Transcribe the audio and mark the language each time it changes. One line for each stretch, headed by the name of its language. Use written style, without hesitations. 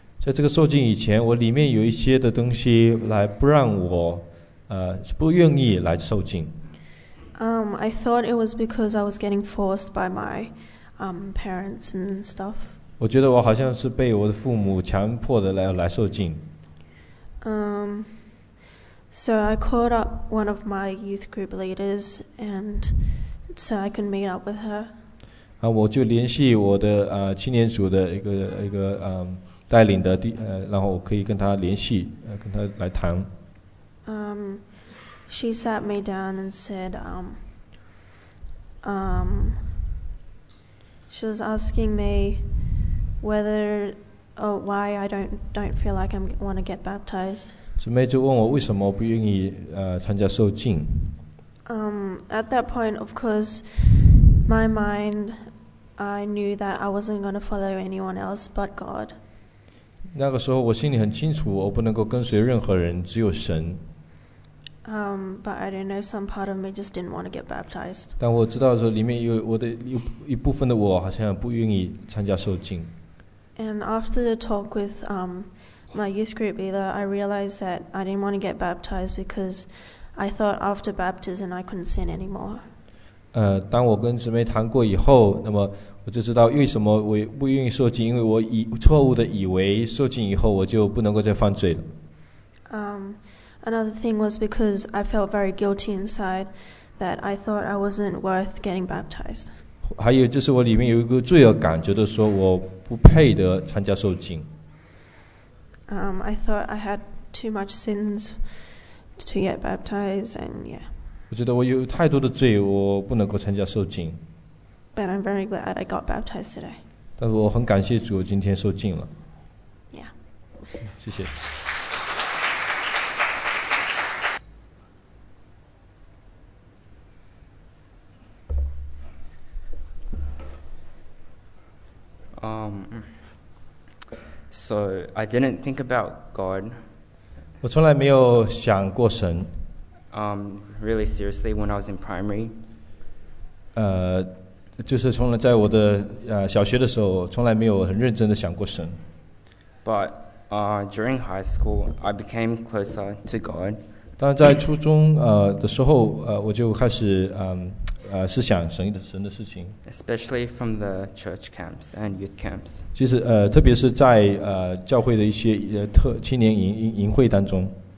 Chinese: 在这个受浸以前，我里面有一些的东西来不让我，不愿意来受浸。
English: I thought it was because I was getting forced by my parents and stuff.
Chinese: 我觉得我好像是被我的父母强迫的来受浸。
English: So I called up one of my youth group leaders, and so I could meet up with her.
Chinese: 我就联系我的青年组的一个带领的然后我可以跟他联系，跟他来谈。
English: She sat me down and said, she was asking me whether or why I don't feel like I want to get baptized.
Chinese: 姊妹就问我为什么不愿意参加受浸。
English: At that point, of course, my mind, I knew that I wasn't going to follow anyone else but God.
Chinese: 那个时候我心里很清楚，我不能够跟随任何人，只有神。
English: But I don't know, some part of me just didn't want to get baptized.
Chinese: 但我知道说里面有我的一部分的我好像不愿意参加受浸。
English: And after the talk with my youth group leader, I realized that I didn't want to get baptized because I thought after baptism I couldn't sin anymore.
Chinese: 当我跟姊妹谈过以后，那么我就知道为什么我不愿意受浸，因为我错误的以为受浸以后我就不能够再犯罪了。
English: Another thing was because I felt very guilty inside that I thought I wasn't worth getting baptized.
Chinese: 还有就是我里面有一个罪恶感，觉得说我不配得参加受浸。
English: I thought I had too much sins to get baptized, and yeah.
Chinese: 我觉得我有太多的罪，我不能够参加受浸。
English: But I'm very glad I got baptized today.
Chinese: 但是我很感谢主，今天受浸了。
English: Yeah.
Chinese: 谢谢。
English: So I didn't think about God.
Chinese: 我从来没有想过神。
English: Really seriously, when I was in primary.
Chinese: 就是从来在我的小学的时候，从来没有很认真的想过神。
English: But during high school, I became closer to God.
Chinese: 但在初中的时候，我就开始是想神的事情。
English: Especially from the church camps and youth camps.
Chinese: 其实特别是在教会的一些青年营会当中。